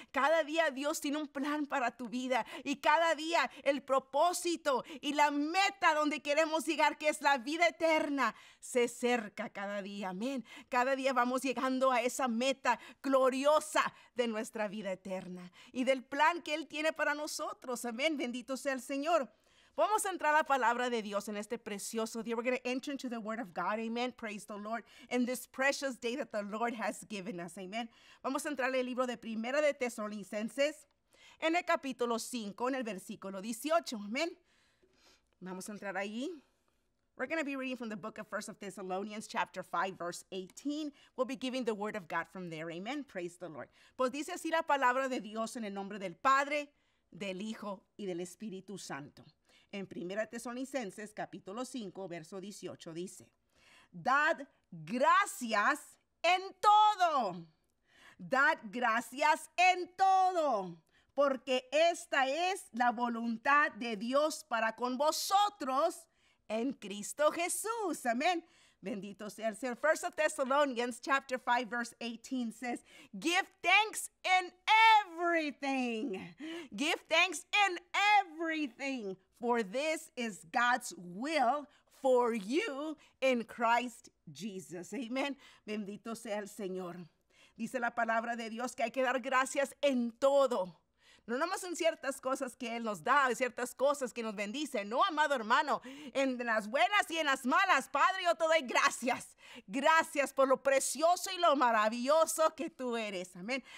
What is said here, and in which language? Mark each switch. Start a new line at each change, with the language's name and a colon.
Spanish: Cada día Dios tiene un plan para tu vida. Y cada día el propósito y la meta donde queremos llegar, que es la vida eterna, se acerca cada día. Amén. Cada día vamos llegando a esa meta gloriosa de nuestra vida eterna y del plan que Él tiene para nosotros. Amén. Bendito sea el Señor. Vamos a entrar a la palabra de Dios en este precioso día.
English: We're going to enter into the word of God, amen, praise the Lord, in this precious day that the Lord has given us, amen.
Spanish: Vamos a entrar al libro de Primera de Tesalonicenses, en el capítulo 5, en el versículo 18, amen. Vamos a entrar ahí.
English: We're going to be reading from the book of 1 Thessalonians, chapter 5, verse 18. We'll be giving the word of God from there, amen, praise the Lord.
Spanish: Pues dice así la palabra de Dios en el nombre del Padre, del Hijo y del Espíritu Santo. En 1 Tesalonicenses, capítulo 5, verso 18, dice, dad gracias en todo, dad gracias en todo, porque esta es la voluntad de Dios para con vosotros en Cristo Jesús. Amén. Bendito sea el Señor.
English: 1 Thessalonians, chapter 5, verse 18 says, give thanks in everything. Give thanks in everything, for this is God's will for you in Christ Jesus.
Spanish: Amen. Bendito sea el Señor. Dice la palabra de Dios que hay que dar gracias en todo. No nomás en ciertas cosas que Él nos da, en ciertas cosas que nos bendice. No, amado hermano, en las buenas y en las malas, Padre, yo te doy gracias. Gracias por lo precioso y lo maravilloso que tú eres. Amén.